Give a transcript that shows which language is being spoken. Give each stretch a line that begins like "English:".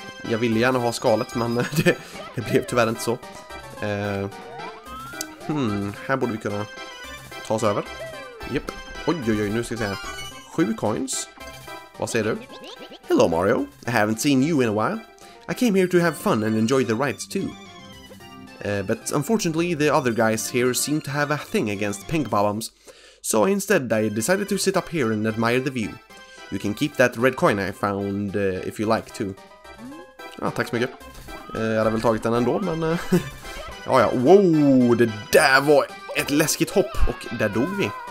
Swedish: Jag ville gärna ha skalet, men det blev tyvärr inte så. Här borde vi kunna ta oss över. Jep. Oj, oj, oj, nu ska jag säga 7 coins. Vad säger du?
English: Hello Mario, I haven't seen you in a while. I came here to have fun and enjoy the rides too. But unfortunately, the other guys here seem to have a thing against pink bombs. So instead, I decided to sit up here and admire the view. You can keep that red coin I found if you like too.
Swedish: Ja, tack så mycket. Jag hade väl tagit den ändå, men... ja. Wow, det där var ett läskigt hopp. Och där dog vi.